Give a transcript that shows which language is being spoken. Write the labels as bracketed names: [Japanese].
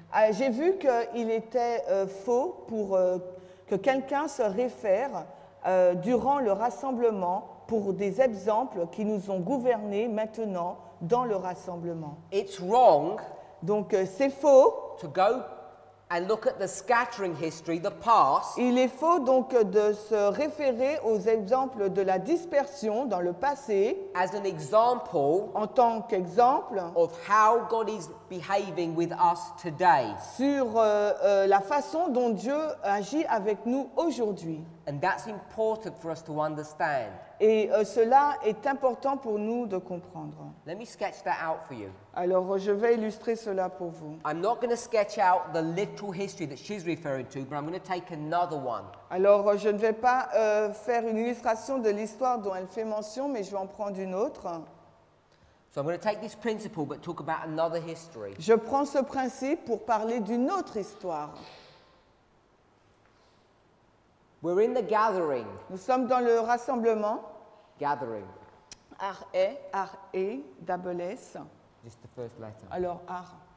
[French] J'ai vu que il était faux pour que quelqu'un se réfère durant le rassemblement pour des exemples qui nous ont gouvernés maintenant dans le rassemblement. [English] It's wrong. [French] Donc c'est faux. [English] To go and look at the scattering history, the past. [French] Il est faux donc de se référer aux exemples de la dispersion dans le passé. [English] As an example. [French] En tant qu'exemple. [English] Of how God is behaving with us today. [French] Sur la façon dont Dieu agit avec nous aujourd'hui. [English] And that's important for us to understand. [French] Et cela est important pour nous de comprendre. [English] Let me sketch that out for you. [French] Alors, je vais illustrer cela pour vous. [English] I'm not going to sketch out the literal history that she's referring to, but I'm going to take another one. [French] Alors, je ne vais pas faire une illustration de l'histoire dont elle fait mention, mais je vais en prendre une autre. [English] So I'm going to take this principle, but talk about another history. [French] Je prends ce principe pour parler d'une autre histoire. [English] We're in the gathering. [French] Nous sommes dans le rassemblement. [English] Gathering. R-E-S-S. Just the first letter. [French] Alors, R.